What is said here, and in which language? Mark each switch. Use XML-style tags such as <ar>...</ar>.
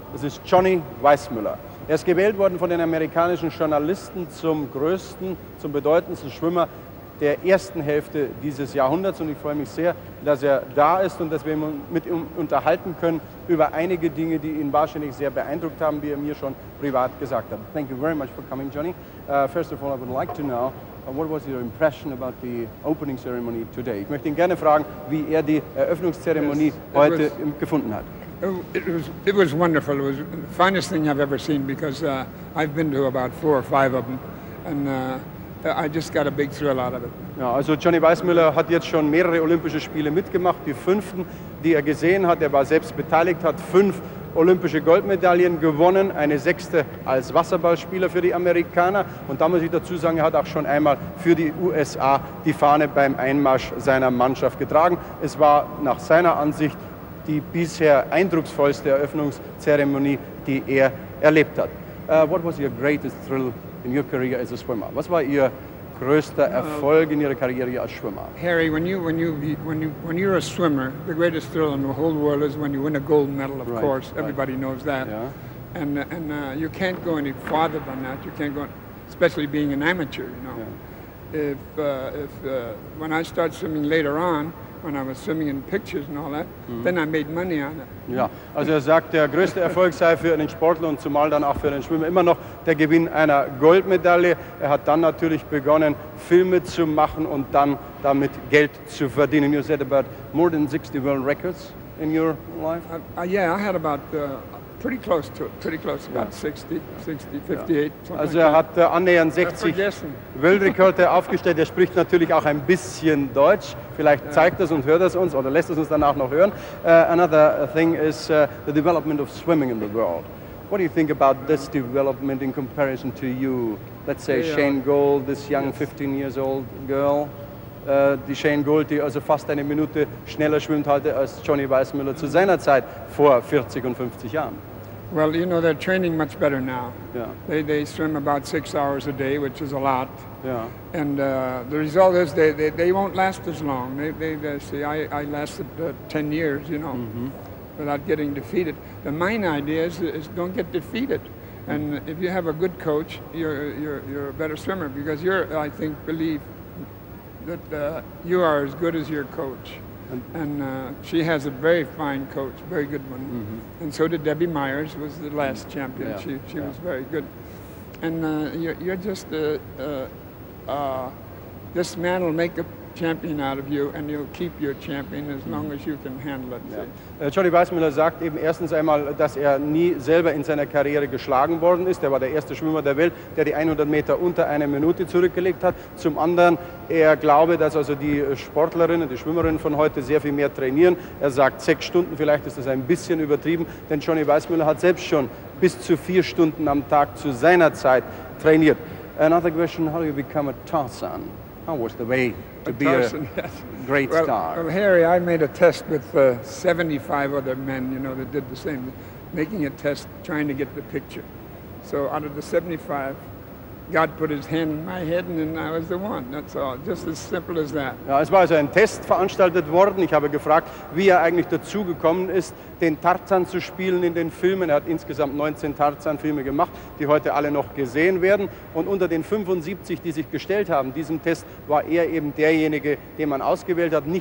<de>Es ist Johnny Weissmüller. Er ist gewählt worden von den amerikanischen Journalisten zum größten, zum bedeutendsten Schwimmer der ersten Hälfte dieses Jahrhunderts. Und ich freue mich sehr, dass er da ist und dass wir mit ihm unterhalten können über einige Dinge, die ihn wahrscheinlich sehr beeindruckt haben, wie er mir schon privat gesagt hat.</de> <en>Thank you very much for coming, Johnny. First of all, I would like to know, what was your impression about the opening ceremony today?</en> <de>Ich möchte ihn gerne fragen, wie er die Eröffnungszeremonie heute gefunden hat.</de> <en>It was wonderful. It was the finest thing I've ever seen, because I've been to about four or five of them, and I just got a big thrill out of it.</en> <de>Ja, also Johnny Weissmüller hat jetzt schon mehrere Olympische Spiele mitgemacht, die fünften, die er gesehen hat. Er war selbst beteiligt, hat fünf olympische Goldmedaillen gewonnen, eine sechste als Wasserballspieler für die Amerikaner. Und da muss ich dazu sagen, er hat auch schon einmal für die USA die Fahne beim Einmarsch seiner Mannschaft getragen. Es war nach seiner Ansicht die bisher eindrucksvollste Eröffnungszeremonie, die er erlebt hat.</de> <en>What was your greatest thrill in your career as a swimmer?</en> <de>Was war Ihr größter Erfolg in Ihrer Karriere als Schwimmer?</de> <en>Harry, when you're a swimmer, the greatest thrill in the whole world is when you win a gold medal. Of right, course, right. Everybody knows that. Yeah. And you can't go any farther than that. You can't go, especially being an amateur. You know, yeah. If when I start swimming later on, when I was swimming in pictures and all that, then I made money on it.</en> <de>Ja, also er sagt, der größte Erfolg sei für einen Sportler und zumal dann auch für einen Schwimmer immer noch der Gewinn einer Goldmedaille. Er hat dann natürlich begonnen, Filme zu machen und dann damit Geld zu verdienen.</de> <en>You said about more than 60 world records in your life? Yeah, I had about pretty close to about 60, 58.</en> <de>Also er hat annähernd 60 Weltrekorde aufgestellt. Er spricht natürlich auch ein bisschen Deutsch. Vielleicht zeigt das und hört das uns oder lässt es uns danach noch hören.</de> <en>Another thing is the development of swimming in the world. What do you think about this development in comparison to you? Let's say Shane Gould, this young 15 years old girl.</en> <de>die Shane Gould, die also fast eine Minute schneller schwimmt heute als Johnny Weissmuller zu seiner Zeit vor 40 und 50 Jahren.</de> <en>Well, you know, they're training much better now. Yeah. They swim about 6 hours a day, which is a lot. Yeah. And the result is they won't last as long. They see, I lasted 10 years, you know, mm-hmm. without getting defeated. The main idea is don't get defeated. Mm-hmm. And if you have a good coach, you're a better swimmer, because I believe that you are as good as your coach. And she has a very fine coach, very good one. Mm-hmm. And so did Debbie Myers, who was the last mm-hmm. champion. Yeah. She yeah. was very good. And you're just this man will make a champion out of you, and you'll keep your champion as long as you can handle it. Yeah.</en> <de>Johnny Weissmuller sagt eben erstens einmal, dass er nie selber in seiner Karriere geschlagen worden ist. Er war der erste Schwimmer der Welt, der die 100 Meter unter einer Minute zurückgelegt hat. Zum anderen, er glaube, dass also die Sportlerinnen, die Schwimmerinnen von heute sehr viel mehr trainieren. Er sagt 6 Stunden, vielleicht ist das ein bisschen übertrieben, denn Johnny Weissmuller hat selbst schon bis zu 4 Stunden am Tag zu seiner Zeit trainiert.</de> <en>Another question, how do you become a Tarzan? How was the way to be a great star? Well, Harry, I made a test with 75 other men, you know, that did the same, making a test, trying to get the picture. So out of the 75, God put his hand in my head, and then I was the one. That's all. Just as simple as that.</en> <de>Ja, es war also ein Test veranstaltet worden. Ich habe gefragt, wie er eigentlich dazu gekommen ist, den Tarzan zu spielen in den Filmen. Er hat insgesamt 19 Tarzan-Filme gemacht, die heute alle noch gesehen werden. Und unter den 75, die sich gestellt haben, diesem Test, war er eben derjenige, den man ausgewählt hat.</de>